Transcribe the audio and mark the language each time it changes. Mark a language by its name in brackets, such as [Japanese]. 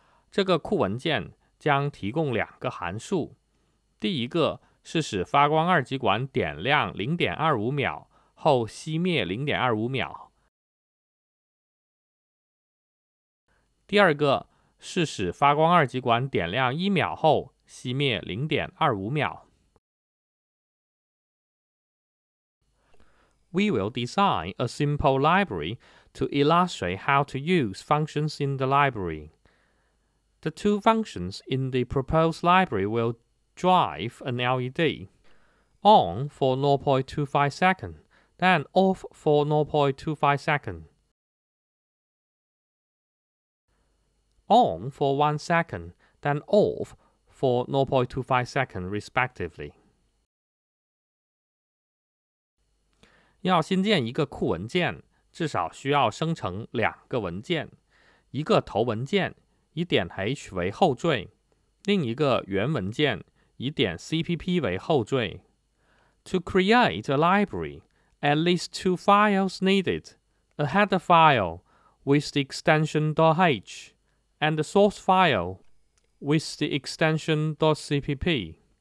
[Chinese] 这个库文件将提供两个函数，第一个是使发光二极管点亮 0.25 秒后熄灭 0.25 秒，第二个是使发光二极管点亮1秒后熄灭 0.25 秒。 [English] We will design a simple library to illustrate how to use functions in the library. The two functions in the proposed library will drive an LED on for 0.25 seconds, then off for 0.25 seconds. On for 1 second, then off for 0.25 seconds respectively. [Chinese] 要新建一个库文件，至少需要生成两个文件，一个头文件以点 h 为后缀，另一个原文件以点 cpp 为后缀。 [English] To create a library, at least two files needed, a header file with the extension .h and a source file with the extension .cpp.